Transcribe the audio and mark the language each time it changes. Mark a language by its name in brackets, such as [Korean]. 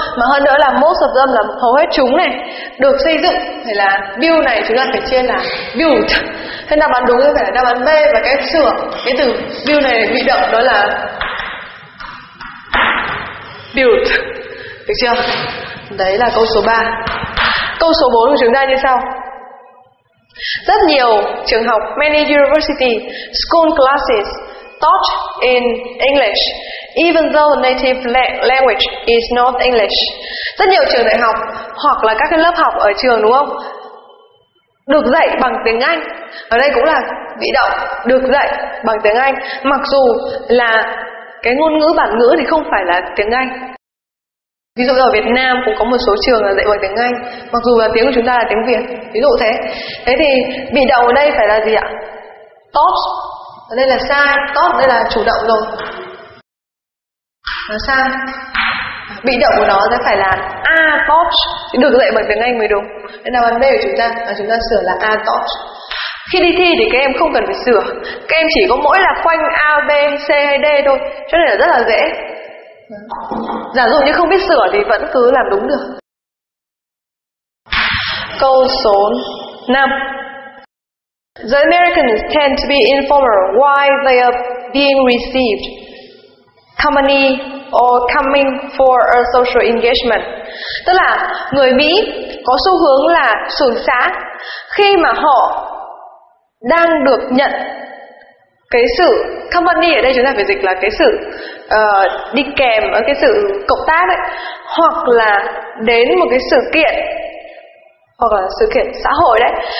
[Vietnamese] Mà hơn nữa là [English] most of them [Vietnamese] là hầu hết chúng này được xây dựng thì là view này chúng ta phải chia là built. Thế đáp án đúng phải là đáp án B, và cái sửa cái từ view này bị động đó là built. Được chưa? Đấy là câu số 3. Câu số 4 của chúng ta như sau. Rất nhiều trường học, [English] many university school classes taught in English even though the native language is not English. [Vietnamese] Rất nhiều trường đại học hoặc là các cái lớp học ở trường, đúng không, được dạy bằng tiếng Anh. Ở đây cũng là bị động, được dạy bằng tiếng Anh mặc dù là cái ngôn ngữ bản ngữ thì không phải là tiếng Anh. Ví dụ ở Việt Nam cũng có một số trường là dạy bằng tiếng Anh mặc dù là tiếng của chúng ta là tiếng Việt, ví dụ thế. Thế thì bị động ở đây phải là gì ạ? Taught ở đây là sai, taught đây là chủ động rồi. Là sai. Bị động của nó sẽ phải là A taught, được dạy bằng tiếng Anh mới đúng. Nên là đáp án B của chúng ta sửa là A taught. Khi đi thi thì các em không cần phải sửa, các em chỉ có mỗi là khoanh A, B, C hay D thôi, cho nên là rất là dễ. Giả dụ như không biết sửa thì vẫn cứ làm đúng được. Câu số 5. [English] The Americans tend to be informal while they are being received company or coming for a social engagement. [Vietnamese] Tức là người Mỹ có xu hướng là sủng xá khi mà họ đang được nhận cái sự company, ở đây chúng ta phải dịch là cái sự đi kèm ở cái sự cộng tác ấy, hoặc là đến một cái sự kiện hoặc là sự kiện xã hội đấy.